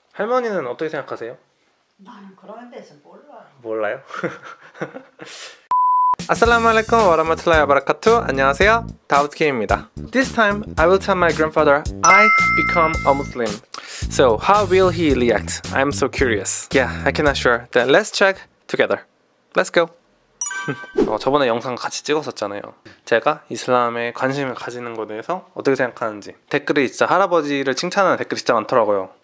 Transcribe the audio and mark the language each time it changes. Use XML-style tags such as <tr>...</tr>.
<ko>할머니는 어떻게 생각하세요? 나는 그런 데서 몰라요. 몰라요?</ko> <ar>아살라무알라이쿰 와라마툴라이 와바라카투.</ar> <ko>안녕하세요, 다우드케이입니다.</ko> <en>This time, I will tell my grandfather I become a Muslim. So, how will he react? I'm so curious. Yeah, I cannot sure. Then let's check together. Let's go.</en> <ko>저번에 영상 같이 찍었었잖아요. 제가 이슬람에 관심을 가지는 것에 대해서 어떻게 생각하는지. 댓글이 진짜 할아버지를 칭찬하는 댓글이 진짜 많더라고요.</ko>